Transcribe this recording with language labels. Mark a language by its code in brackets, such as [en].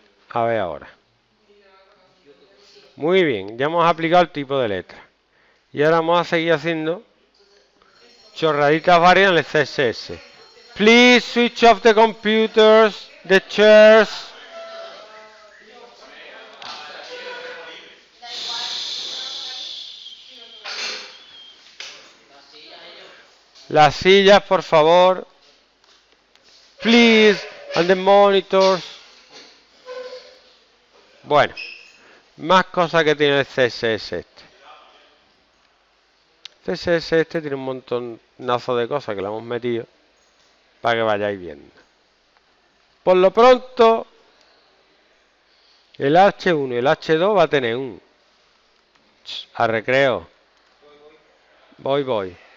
[es] A ver ahora. Muy bien, ya hemos aplicado el tipo de letra. Y ahora vamos a seguir haciendo chorraditas varias en el CSS. [en] Please switch off the computers, the chairs. [es] Las sillas, por favor. [en] Please, and the monitors. [es] Bueno, más cosas que tiene el CSS este. CSS este tiene un montonazo de cosas que le hemos metido para que vayáis viendo. Por lo pronto, el H1 y el H2 va a tener un... A recreo. Voy, voy.